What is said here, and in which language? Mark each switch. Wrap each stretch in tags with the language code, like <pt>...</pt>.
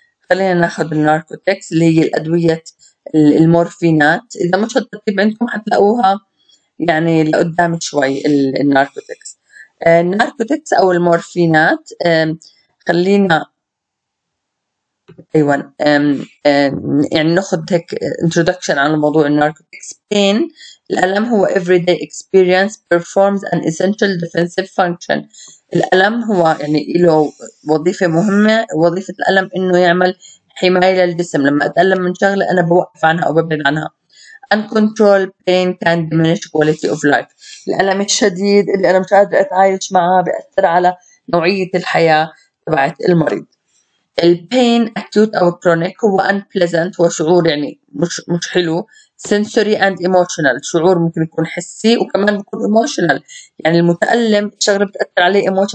<ar>خلينا ناخذ الناركوتكس اللي هي الادويه المورفينات، اذا مش هالترتيب عندكم حتلاقوها يعني لقدام شوي. الناركوتكس الناركوتكس او المورفينات، خلينا ايوه يعني ناخذ هيك انتدكشن عن موضوع الناركوتكس. بين الالم هو</ar> <en>every day experience performs an essential defensive function.</en> <ar>الالم هو يعني له وظيفه مهمه، وظيفه الالم انه يعمل حماية للجسم. لما أتألم من شغلة أنا بوقف عنها أو ببعد عنها.</ar> <en>Uncontrolled pain can diminish quality of life.</en> <ar>الألم الشديد اللي أنا مش قادر أتعايش معها بيأثر على نوعية الحياة تبعت المريض.</ar> <en>Pain acute</en> <ar>أو chronic هو unpleasant، هو شعور يعني مش حلو.</ar> <en>Sensory and emotional،</en> <ar>شعور ممكن يكون حسي وكمان بيكون emotional، يعني المتألم شغلة بتأثر عليه emotion.</ar>